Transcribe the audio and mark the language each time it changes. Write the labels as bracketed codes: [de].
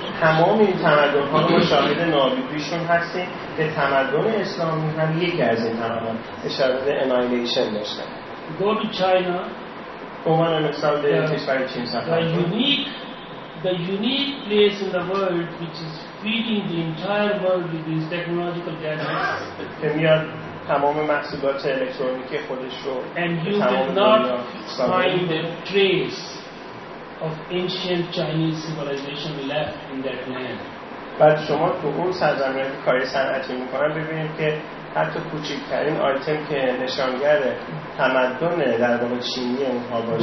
[fa] تمام این تمدن ها رو شاهد نابودیشون هستیم. به تمدن اسلامی هم یکی از این تمدن اشاره به annihilation داشتن. [en] Go to China. Oman and Saudi Arabia. The unique place in the world which is feeding the entire world with these technological gadgets. [fa] میاد تمام محصولات الکترونیکی خودش رو. [en] And you did not find a trace of ancient Chinese civilization left in that land. [fa] بعد شما تو اون سرزمین کار صنعتی میکنن ببینید که حتی کوچکترین آیتم که نشانگر تمدن در واقع چینی اونها باشه.